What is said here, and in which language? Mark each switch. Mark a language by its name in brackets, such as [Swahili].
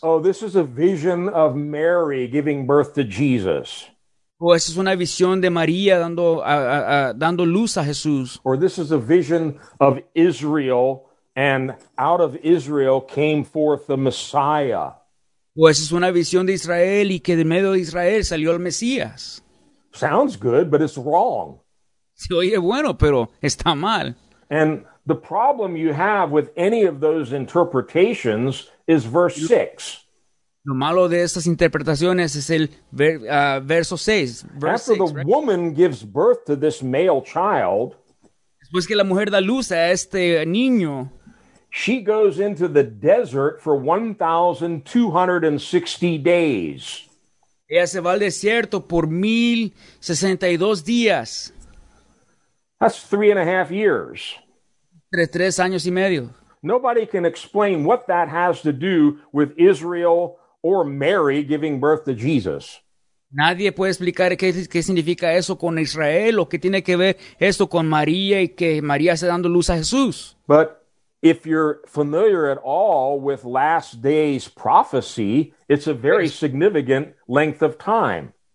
[English] Oh, this is a vision of Mary giving birth to Jesus. [Spanish] O esa es una visión de María dando luz a Jesús. [English] Or this is a vision of Israel and out of Israel came forth the Messiah. [Spanish] Pues es una visión de Israel y que de medio de Israel salió el Mesías. [English] Sounds good, but it's wrong. [Spanish] Se oye bueno, pero está mal. [English] And the problem you have with any of those interpretations is verse 6. [Spanish] Lo malo de estas interpretaciones es el verso 6. [English] Woman gives birth to this male child, [Spanish] después que la mujer da luz a este niño, [English] she goes into the desert for 1,260 days. [Spanish] Ella se va al desierto por 1,062 días. [English] That's 3.5 years. [Spanish] De 3 años y medio. [English] Nobody can explain what that has to do with Israel or Mary giving birth to Jesus. [Spanish] Nadie puede explicar qué significa eso con Israel o qué tiene que ver esto con María y que María está dando luz a Jesús. [English] But if you're familiar at all with last day's prophecy, it's a very significant length of time.